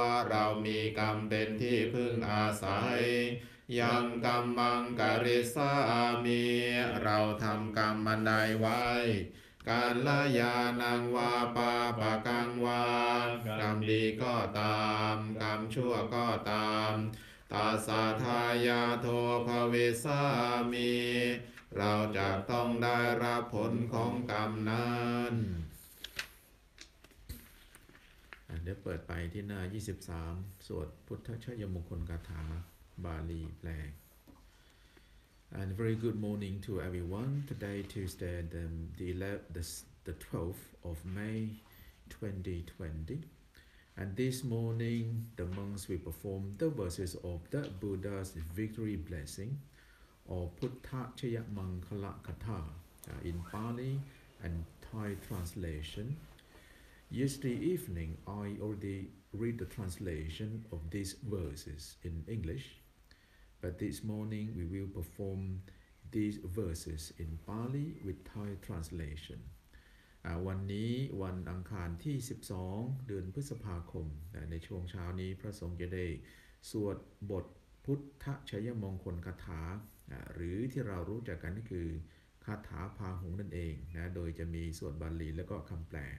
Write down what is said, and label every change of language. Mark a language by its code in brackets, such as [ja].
[th] เรามีกรรมเป็นที่พึ่งอาศัย [pi] ยังกรรมังกริสามี [th] เราทำกรรมมันใดไว้ [pi] กาลยานังวาปาปะกังวา [th] กรรมดีก็ตามกรรมชั่วก็ตาม [pi] ตาสาทายาโทภวิสามี [th] เราจะต้องได้รับผลของกรรมนั้น เดี๋ยวเปิดไปที่หน้า23สวดพุทธชยมงคลคาถาบาลีแปล [en] And very good morning to everyone. Today Tuesday the 12th of May 2020. And this morning the monks will perform the verses of the Buddha's victory blessing. Or Puttha Chaya Mangkhala Katha in Pali and Thai translation. Yesterday evening, I already read the translation of these verses in English. But this morning we will perform these verses in Pali with Thai translation. [th] วันนี้วันอังคารที่12เดือนพฤษภาคมในช่วงเช้านี้พระสงฆ์จะได้สวดบทพุทธชัยมงคลคาถาหรือที่เรารู้จักกันก็คือคาถาพาหุงนั่นเองนะโดยจะมีสวดบาลีแล้วก็คำแปล